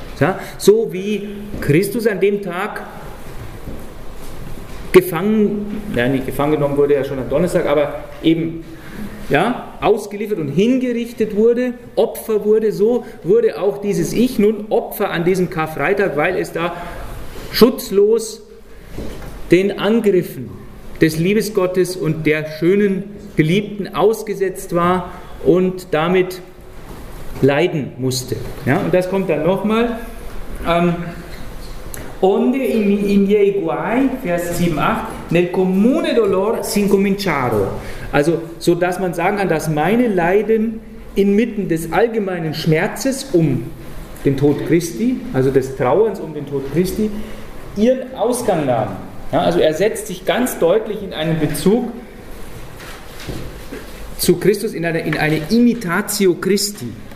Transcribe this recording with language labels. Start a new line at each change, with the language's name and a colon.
German: Ja, so wie Christus an dem Tag gefangen genommen wurde, ja schon am Donnerstag, aber eben ja, ausgeliefert und hingerichtet wurde, Opfer wurde, so wurde auch dieses Ich nun Opfer an diesem Karfreitag, weil es da schutzlos den Angriffen des Liebesgottes und der schönen Geliebten ausgesetzt war und damit leiden musste. Ja, und das kommt dann nochmal.
Italian: Onde i miei guai,
German: Vers 7, 8,
Italian: nel comune dolor s'incominciaro.
German: Also, so dass man sagen kann, dass meine Leiden inmitten des allgemeinen Schmerzes um den Tod Christi, also des Trauerns um den Tod Christi, ihren Ausgang nahmen. Ja, also er setzt sich ganz deutlich in einen Bezug zu Christus, in eine Imitatio Christi.